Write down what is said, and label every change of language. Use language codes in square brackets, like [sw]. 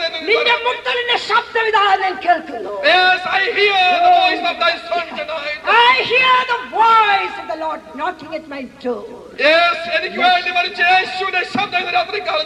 [ml] നിന്റെ മുത്തലിന്റെ ശബ്ദം ഇതാ ഞാൻ കേൾക്കുന്നു. [en] Yes, I hear the voice of thy son tonight. I hear the voice of the Lord knocking at my door. [ml] Yes, എനിക്ക് വേണ്ടി മരിച്ച യേശുവിന്റെ ശബ്ദം രാത്രി